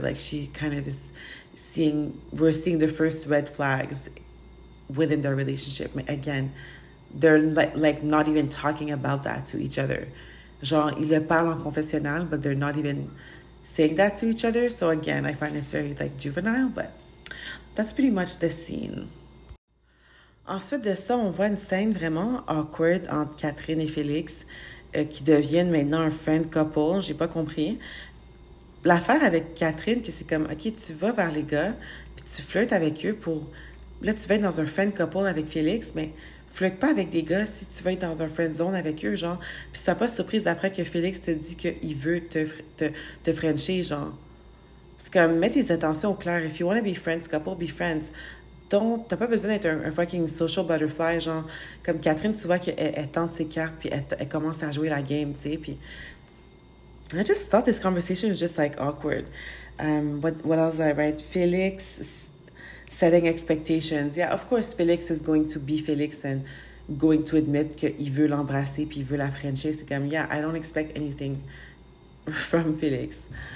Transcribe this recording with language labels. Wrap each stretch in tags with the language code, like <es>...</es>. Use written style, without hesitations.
<en>Like, she kind of is seeing, we're seeing the first red flags within their relationship. Again, they're like not even talking about that to each other. Genre,</en> <fr>ils le parlent en confessionnal,</fr> <en>but they're not even saying that to each other. So again, I find it's very like juvenile, but that's pretty much the scene.</en> <fr>Ensuite de ça, on voit une scène vraiment awkward entre Catherine et Félix, qui deviennent maintenant un friend couple. J'ai pas compris. L'affaire avec Catherine, que c'est comme, OK, tu vas vers les gars, puis tu flirtes avec eux pour. Là, tu vas être dans un friend couple avec Félix, mais. Flirte pas avec des gars si tu veux être dans un friend zone avec eux, genre. Puis ça pas surprise d'après que Félix te dit qu'il veut te frencher, genre. C'est comme, mets tes intentions au clair.</fr> <en>If you want to be friends, couple, be friends.</en> <fr>Donc, t'as pas besoin d'être un fucking social butterfly, genre. Comme Catherine, tu vois qu'elle tente ses cartes, puis elle commence à jouer la game, tu sais. Puis.</fr> <en>I just thought this conversation was just like awkward. What else did I write? Félix. Setting expectations. Yeah, of course, Félix is going to be Félix and going to admit</en> <fr>qu'il veut l'embrasser puis il veut la frencher. C'est comme,</fr> <en>yeah, I don't expect anything from Félix.</en>